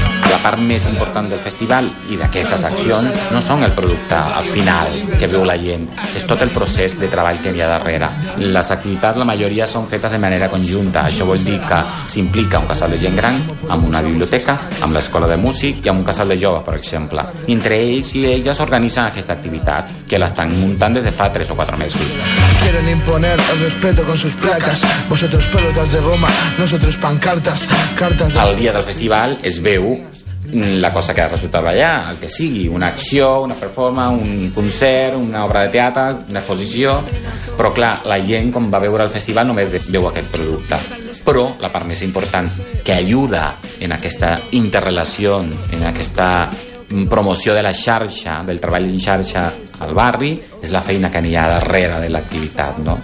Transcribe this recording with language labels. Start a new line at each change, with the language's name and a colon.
Catalan: La part més important del festival i d'aquestes accions no són el producte final que veu la gent, és tot el procés de treball que hi ha darrere. Les activitats, la majoria, són fetes de manera conjunta. Això vol dir que s'implica un casal de gent gran, amb una biblioteca, amb l'escola de músic i amb un casal de joves, per exemple. Entre ells i elles organitzen aquesta activitat, que l'estan muntant des de fa 3 o 4 mesos.
Spanish: Quieren imponer el respeto con sus placas, vosotros pelotas de goma, nosotros pancartas, cartas...
Catalan: El dia del festival es veu la cosa que ha resultat allà, el que sigui, una acció, una performance, un concert, una obra de teatre, una exposició, però clar, la gent, com va veure el festival, només veu aquest producte. Però la part més important, que ajuda en aquesta interrelació, en aquesta promoció de la xarxa, del treball en xarxa al barri, és la feina que n'hi ha darrere de l'activitat, no?